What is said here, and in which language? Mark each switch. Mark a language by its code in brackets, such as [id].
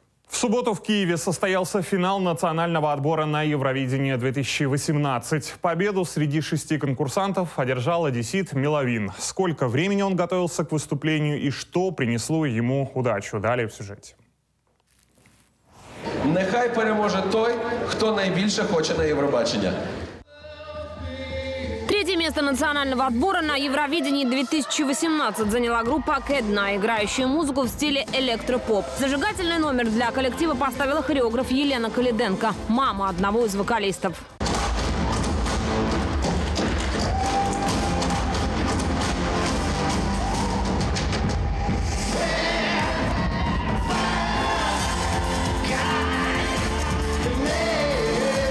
[ru] В субботу в Киеве состоялся финал национального отбора на Евровидение 2018. Победу среди 6 конкурсантов одержал одессит Меловин. Сколько времени он готовился к выступлению и что принесло ему удачу? Далее в сюжете. [uk] Нехай переможе той, кто найбільше хоче на Євробачення. [ru] Третье место национального отбора на Евровидении 2018 заняла группа «Кэдна», играющая музыку в стиле электропоп. Зажигательный номер для коллектива поставила хореограф Елена Калиденко, мама одного из вокалистов. [en] Yeah!